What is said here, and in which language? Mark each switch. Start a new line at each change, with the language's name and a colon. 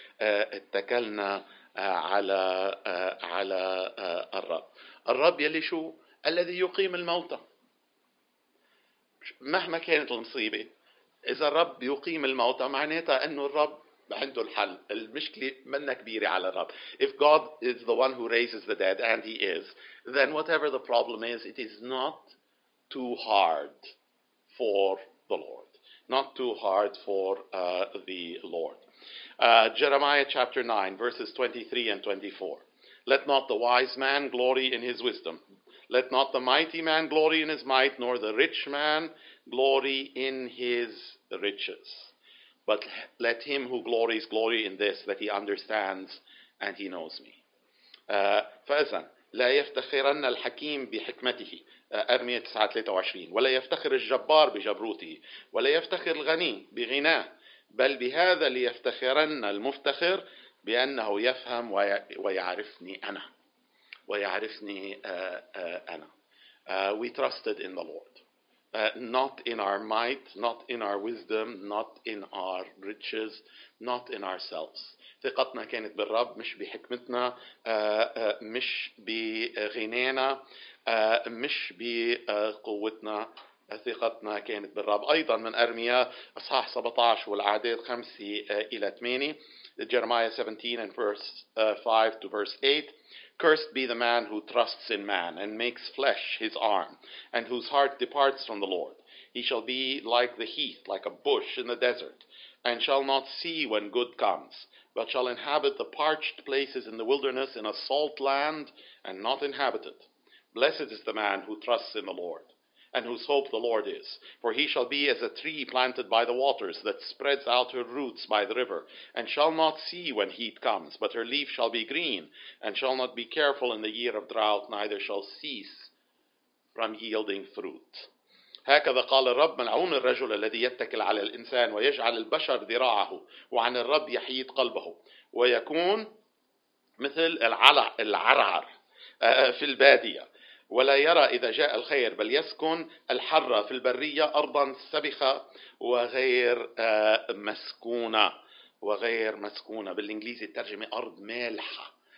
Arabic: اتكلنا على على الرب. الرب يلي شو؟ الذي يقيم الموتى. مهما كانت المصيبة، إذا الرب يقيم الموتى معناتها أنه الرب عنده الحل. المشكلة منا كبيرة على الرب.
English: If God is the one who raises the dead, and he is, then whatever the problem is, it is not too hard for the Lord. Not too hard for the Lord. Jeremiah chapter 9, verses 23 and 24. Let not the wise man glory in his wisdom. Let not the mighty man glory in his might, nor the rich man glory in his riches. But let him who glories glory in this, that he understands and he knows me.
Arabic: فإذن لا يفتخرن الحكيم بحكمته، أرمية 9:23، ولا يفتخر الجبار بجبروته، ولا يفتخر الغني بغناه، بل بهذا ليفتخرن المفتخر بأنه يفهم ويعرفني أنا. ويعرفني أنا.
English: We trusted in the Lord. Not in our might, not in our wisdom, not in our riches, not in ourselves.
Arabic: ثقتنا كانت بالرب، مش بحكمتنا، مش بغنانا، مش بقوتنا. ثقتنا كانت بالرب. أيضا من أرمية أصحاح 17 والأعداد 5 إلى 8.
English: Jeremiah 17 and verse 5 to verse 8. Cursed be the man who trusts in man and makes flesh his arm, and whose heart departs from the Lord. He shall be like the heath, like a bush in the desert, and shall not see when good comes, but shall inhabit the parched places in the wilderness in a salt land and not inhabited. Blessed is the man who trusts in the Lord, and whose hope the Lord is. For he shall be as a tree planted by the waters that spreads out her roots by the river, and shall not see when heat comes, but her leaf shall be green, and shall not be careful in the year of drought, neither shall cease from yielding fruit.
Arabic: هكذا قال الرب ملعون الرجل الذي يتكل على الإنسان ويجعل البشر ذراعه وعن الرب يحيد قلبه ويكون مثل العرعر في البادية ولا يرى إذا جاء الخير بل يسكن الحرة في البرية أرضا سبخة وغير مسكونة وغير مسكونة بالإنجليزي الترجمة أرض مالحة